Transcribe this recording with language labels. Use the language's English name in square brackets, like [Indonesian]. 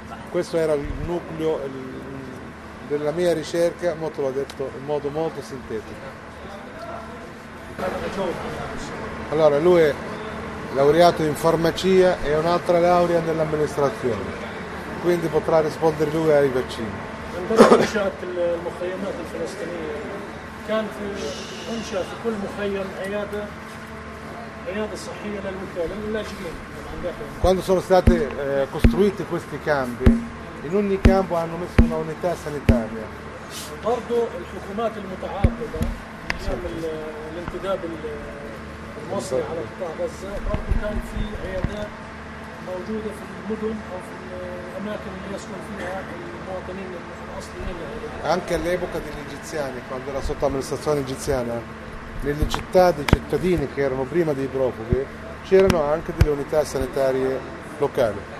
[Italian] Questo era il nucleo della mia ricerca, ma te l'ho detto in modo molto sintetico. Allora, lui è laureato in farmacia e un'altra laurea nell'amministrazione, quindi potrà rispondere lui ai vaccini. [Arabic] انشات المخيمات الفلسطينيه كان في انشا في كل مخيم عياده صحيه للوكاله للاجئين [Italian] quando sono state costruite questi campi in ogni campo hanno messo una unità sanitaria [Arabic] برضو الحكومات المتعاقبه الانتداب المصري على قطاع غزه برضو كان في عيادات موجوده في المدن او في الاماكن اللي يسكن فيها المواطنين [Italian] Anche all'epoca degli egiziani, quando era sotto amministrazione egiziana, nelle città dei cittadini che erano prima dei profughi c'erano anche delle unità sanitarie locali.